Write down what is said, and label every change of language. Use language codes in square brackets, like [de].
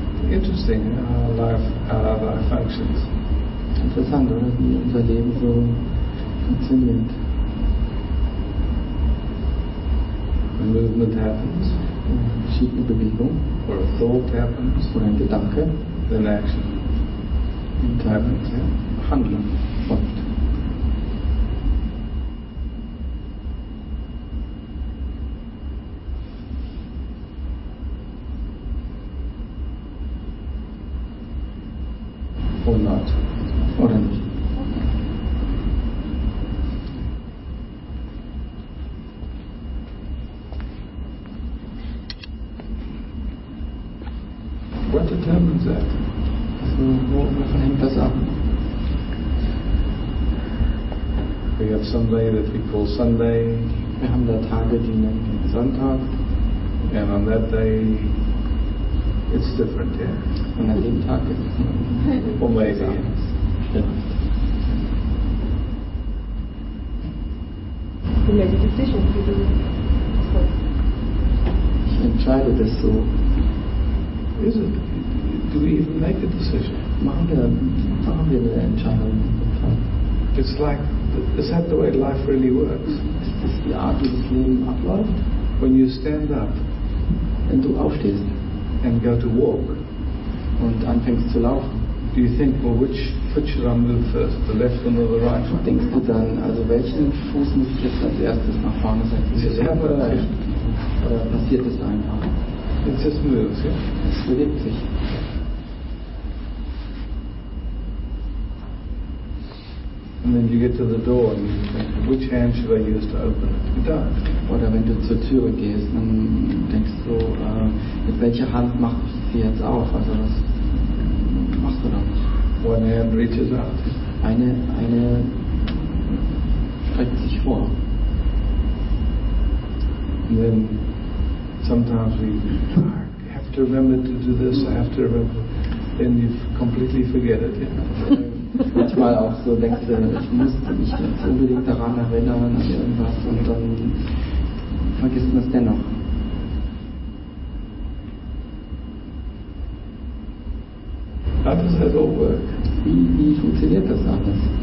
[en] interesting in our life, how our life functions. [de] Interessant, oder? Wie unser Leben so funktioniert. [en] When movement happens, [de] geschieht eine Bewegung, [en] or a thought happens, [de] oder ein Gedanke, [en] then action. It happens, [de] yeah. Handeln folgt. [en] Or not. [de] Oder nicht. [en] What determines that? [de] So, wovon hängt das ab? [en] We have Sunday that we call Sunday. [de] Wir haben da Tage, die nennen wir Sonntag. [en] And on that day, it's different, yeah. [de] Und an dem Tag ist es anders. [en] Or maybe. [de] Ja. [en] You make a decision to do it. [de] Ich entscheide das so. [en] Is it? Do we even make a decision? [de] Machen wir eine Entscheidung? [en] It's like, is that the way life really works? [de] Ist das die Art, wie das Leben abläuft? [en] When you stand up, [de] wenn du aufstehst, [en] and go to walk, [de] und anfängst zu laufen, [en] do you think, well, which foot should I move first, the left one or the right? [de] Und denkst du dann, also welchen Fuß muss ich jetzt als erstes nach vorne setzen? Oder passiert es einfach? [en] It just moves, yeah? [de] Es bewegt sich. [en] And then you get to the door and you think, which hand should I use to open it? You don't. [de] Oder wenn du zur Tür gehst, dann denkst du, mit welcher Hand mache ich sie jetzt auf? Also was machst du dann? [en] One hand reaches out. [de] Eine streckt sich vor. [en] And then sometimes we have to remember to do this, I have to remember, then you completely forget it. Yeah. [de] Manchmal auch so denkst du, ich muss mich jetzt unbedingt daran erinnern an irgendwas und dann vergisst man es dennoch. [en] How does that all work? [de] Wie funktioniert das alles?